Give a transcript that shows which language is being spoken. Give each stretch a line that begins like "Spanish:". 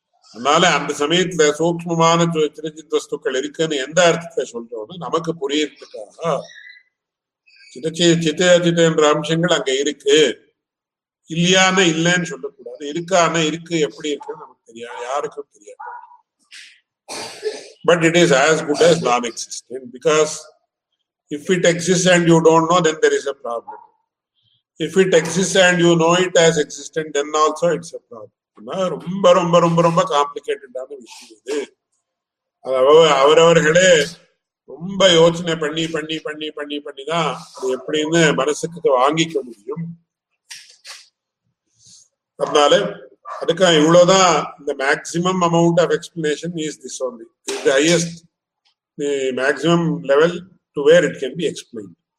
Tamil: அதனால அந்த சமயத்துல சூக்மமான சிரஜித் வஸ்துக்கள் இருக்குன்னு எந்த அர்த்தத்தை சொல்றோம்னு நமக்கு புரியறதுக்காக சித்தஜித்தேன்ற அம்சங்கள் அங்க இருக்கு, இல்லையான இல்லைன்னு சொல்லக்கூடாது, இருக்கான இருக்கு எப்படி இருக்குன்னு நமக்கு தெரியாது, யாருக்கும் தெரியாது.
English: But it is as good as non-existent, because if it exists and you don't know, then there is a problem. If it exists and you know it as existent, then also it's a problem.
Tamil: ரொம்ப ரொம்ப ரொம்ப ரொம்ப காம்ப்ளிகேட்டடான விஷயம் இது. அதாவது அவரவர்களே ரொம்ப யோசனை பண்ணி பண்ணி பண்ணி பண்ணி பண்ணி தான் அது எப்படின்னு மனசுக்கு வாங்கிக்க முடியும். அதனால அதுக்காக இவ்வளவுதான் இந்த
English: Maximum amount of explanation is this only, is the highest the maximum level to where it can be explained.